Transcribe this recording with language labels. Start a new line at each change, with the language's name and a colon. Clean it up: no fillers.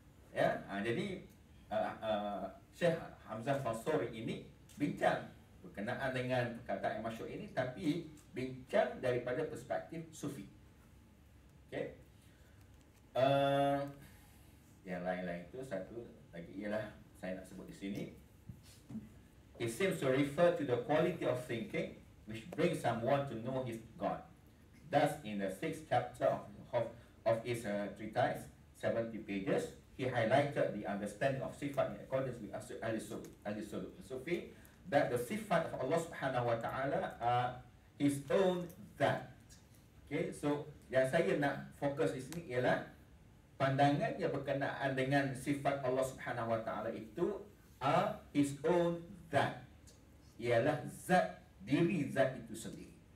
Malay: Ya, jadi Syekh Hamzah Fasuri ini bincang berkenaan dengan perkataan yang masyhur ini, tapi bincang daripada perspektif sufi. Okey. Yang lain-lain itu, satu lagi ialah saya nak sebut di sini.
English: It seems to refer to the quality of thinking which brings someone to know his God. Thus, in the sixth chapter of his treatise, 70 pages, he highlighted the understanding of sifat in accordance with Al-Sufi, that the sifat of Allah subhanahu wa ta'ala his own that.
Malay: Okay, so yang saya nak fokus di sini ialah pandangan yang berkenaan dengan sifat Allah subhanahu wa ta'ala itu his own that, ialah zat, diri zat itu sendiri.